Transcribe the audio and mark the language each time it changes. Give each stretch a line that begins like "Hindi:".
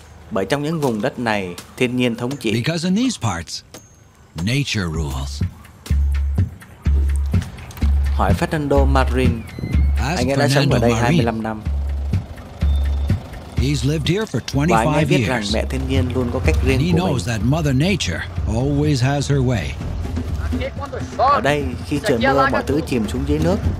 Vietnamese: Bởi trong những vùng đất này, thiên nhiên thống trị.
English: Because in these parts, nature rules.
Vietnamese: Hỏi Fernando Marin, anh ấy đã sống ở đây 25 năm.
English: He's lived here for 25 years.
Vietnamese: Và anh ấy biết rằng mẹ thiên nhiên luôn có cách riêng của mình.
English: He knows that Mother Nature always has her way.
Vietnamese: Ở đây, khi trời mưa, mọi thứ chìm xuống dưới nước.